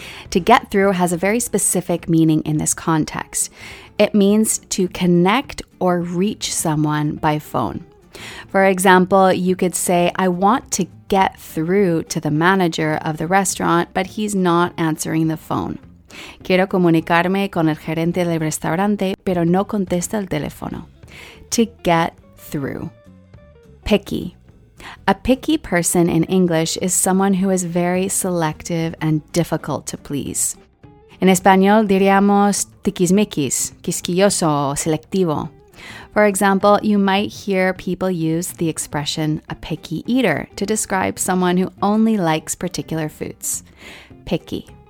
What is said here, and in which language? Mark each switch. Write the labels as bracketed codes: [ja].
[en] To get through has a very specific meaning in this context. It means to connect or reach someone by phone. For example, you could say, I want to get through to the manager of the restaurant, but he's not answering the phone. [es] Quiero comunicarme con el gerente del restaurante, pero no contesta el teléfono. [en] To get through. Picky. A picky person in English is someone who is very selective and difficult to please. [es] En español diríamos tiquismiquis, quisquilloso, selectivo. [en] For example, you might hear people use the expression a picky eater to describe someone who only likes particular foods. Picky.